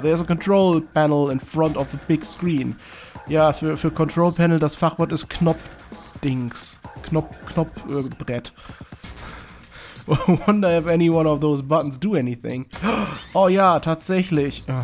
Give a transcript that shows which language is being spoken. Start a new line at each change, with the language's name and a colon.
English: There's a control panel in front of the big screen.
German: Ja, für Control Panel, das Fachwort ist Knopfdings. Knopfbrett.
English: Wonder if any one of those buttons do anything.
German: Oh ja, tatsächlich.